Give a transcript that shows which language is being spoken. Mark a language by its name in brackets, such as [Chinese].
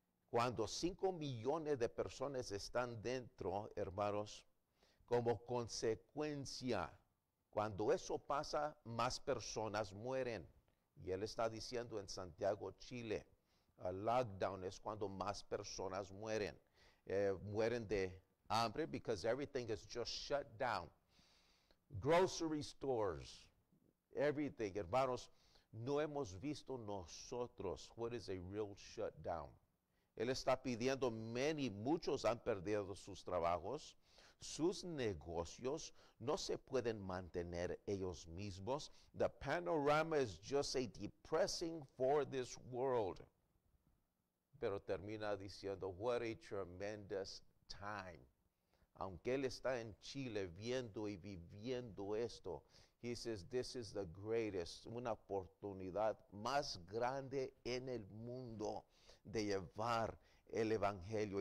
[Spanish] Cuando 5 millones de personas están dentro, hermanos, como consecuencia, cuando eso pasa, más personas mueren. Y él está diciendo en Santiago, Chile, a lockdown es cuando más personas mueren. Mueren de hambre [English] because everything is just shut down. Grocery stores, everything. [Spanish] Hermanos, no hemos visto nosotros [English] what is a real shutdown. [Spanish] Él está pidiendo, muchos han perdido sus trabajos, sus negocios no se pueden mantener ellos mismos. [English] The panorama is just a depressing for this world. [Spanish] Pero termina diciendo, [English] what a tremendous time. [Spanish] Aunque él está en Chile viendo y viviendo esto, [English] he says, this is the greatest, [Spanish] una oportunidad más grande en el mundo de llevar el evangelio.